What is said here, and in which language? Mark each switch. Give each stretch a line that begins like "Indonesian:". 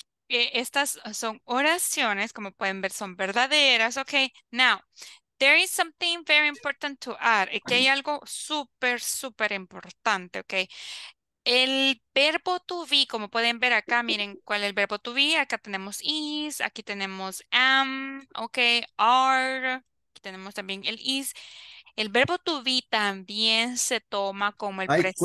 Spanish: Estas son oraciones, como pueden ver, son verdaderas.
English: Ok, now, there is something very important to add.
Spanish: Aquí hay algo súper, súper importante. Ok, el verbo to be, como pueden ver acá, miren cuál es el verbo to be. Acá tenemos is, aquí tenemos am, ok, are, aquí tenemos también el is. El verbo to be también se toma como el presente.